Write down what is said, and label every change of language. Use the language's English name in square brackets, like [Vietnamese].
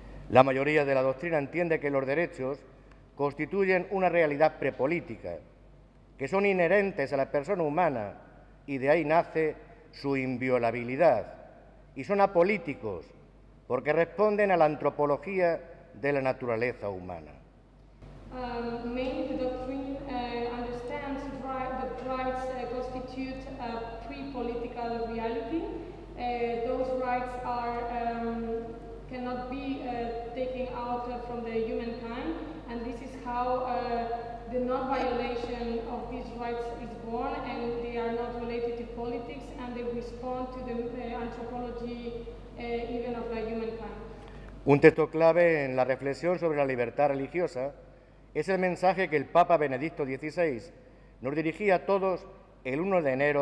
[Spanish] La mayoría de la doctrina entiende que los derechos constituyen una realidad prepolítica, que son inherentes a la persona humana y de ahí nace su inviolabilidad, y son apolíticos, porque responden a la antropología de la naturaleza humana. [English] Mainly, the doctrine understands rights constitute a pre-political reality. Those rights are cannot be taken out from the humankind, and this is how the non-violation of these rights is born, and they are not related to politics, and they respond to the anthropology even of the humankind. [Spanish] Un texto clave en la reflexión sobre la libertad religiosa es el mensaje que el Papa Benedicto XVI nos dirigía a todos el 1 de